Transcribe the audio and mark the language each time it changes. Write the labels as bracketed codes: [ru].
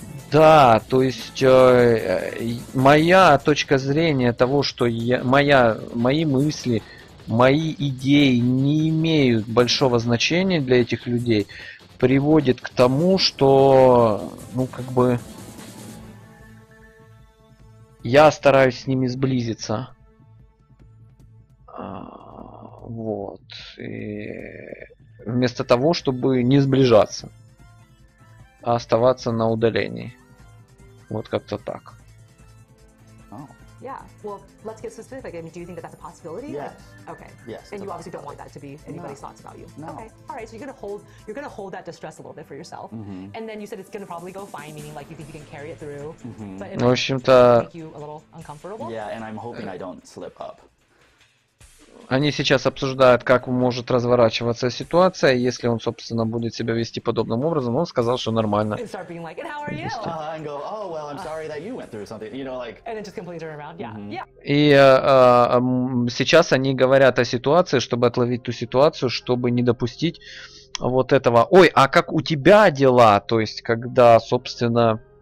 [ru] Да, то есть моя точка зрения того, что мои мысли, мои идеи не имеют большого значения для этих людей, приводит к тому, что, ну, как бы, я стараюсь с ними сблизиться. Вот. И вместо того, чтобы не сближаться, а оставаться на удалении. Вот как-то так. [en] Yeah. Well, let's get specific. I mean, do you think that that's a possibility? Yes. Okay. Yes. And you obviously don't want that to be anybody's thoughts about you. No. Okay. All right. So you're gonna hold that distress a little bit for yourself. Mm-hmm. And then you said it's gonna probably go fine, meaning like you think you can carry it through. Mm-hmm. But it might make you a little uncomfortable. Yeah, and I'm hoping I don't slip up. [ru] Они сейчас обсуждают, как может разворачиваться ситуация, если он, собственно, будет себя вести подобным образом. Он сказал, что нормально. [en] And start being like, and how are you? And go, oh, well, I'm sorry that you went through something, you know, like... And then just completely turn around, yeah, mm-hmm. yeah. [ru] И сейчас они говорят о ситуации, чтобы отловить ту ситуацию, чтобы не допустить вот этого. Ой, а как у тебя дела? То есть, когда, собственно...